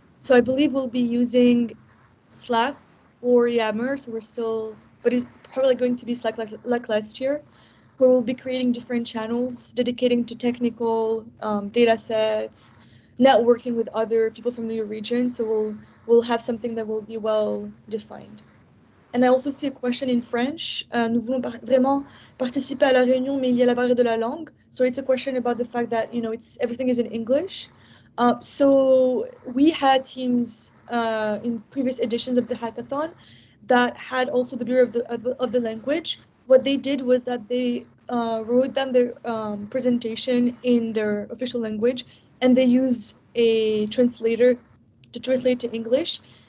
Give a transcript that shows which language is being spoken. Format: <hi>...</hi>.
<en>So I believe we'll be using Slack or Yammer, so we're still, but it's probably going to be Slack like last year, where we'll be creating different channels dedicating to technical data sets, networking with other people from your region. So we'll have something that will be well defined. And I also see a question in French.</en> <fr>Nous voulons vraiment participer à la réunion, mais il y a la barrière de la langue.</fr> <en>So it's a question about the fact that, you know, it's everything is in English. So we had teams in previous editions of the hackathon that had also the Bureau of the Language. What they did was that they wrote down their presentation in their official language, and they used a translator to translate to English.</en>